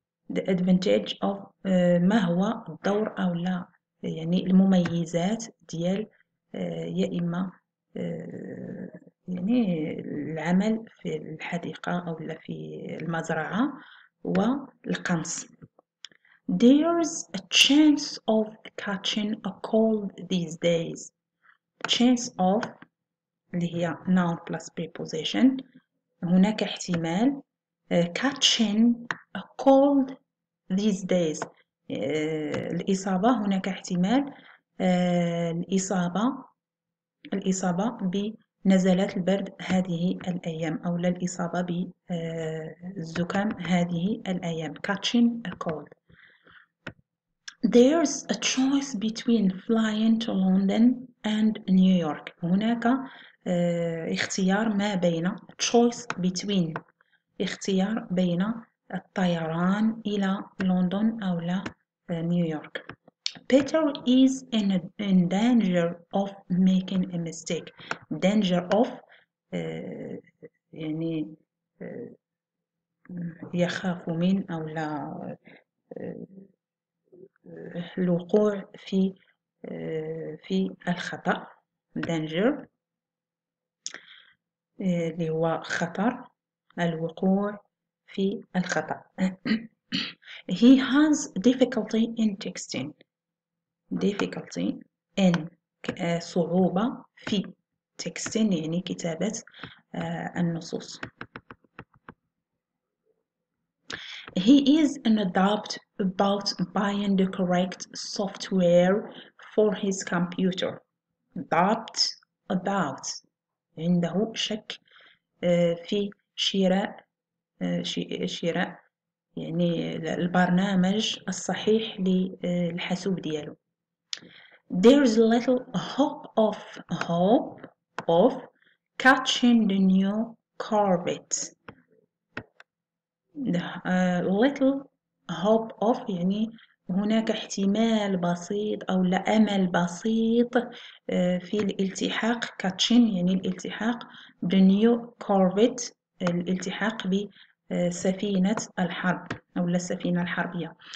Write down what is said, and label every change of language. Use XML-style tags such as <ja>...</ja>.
<en>The advantage of</en> <ar>ما هو الدور أو لا يعني المميزات ديال يا إما يعني العمل في الحديقة أو لا في المزرعة والقنص.</ar> <en>There's a chance of catching a cold these days. Chance of</en> <ar>اللي هي</ar> <en>noun plus preposition</en> <ar>هناك احتمال</ar> <en>catching a cold these days</en> <ar>الإصابة هناك احتمال الإصابة بنزلات البرد هذه الأيام أو للإصابة بالزكام هذه الأيام</ar> <en>catching a cold. There's a choice between flying to London and New York.</en> <ar>هناك اختيار ما بين</ar> <en>choice between</en> <ar>اختيار بين الطيران إلى لندن أو لا نيويورك.</ar> <en>Peter is in danger of making a mistake. Danger of</en> <ar>يعني يخاف من أو لا الوقوع في الخطأ. Danger اللي هو خطر الوقوع في الخطأ.</ar> <en>He has difficulty in texting. Difficulty in</en> <ar>صعوبة في تكستين يعني كتابة النصوص.</ar> <en>He is an adept about buying the correct software for his computer. Doubt about.</en> <ar>عنده شك في شراء يعني البرنامج الصحيح للحاسوب ديالو.</ar> <en>There is little hope of catching the new Corvette. Little hope of</en> <ar>يعني هناك احتمال بسيط أو لا أمل بسيط في الالتحاق كاتشين يعني الالتحاق</ar> <en>the new Corvette</en> <ar>الالتحاق بسفينة الحرب أو السفينة الحربية.</ar>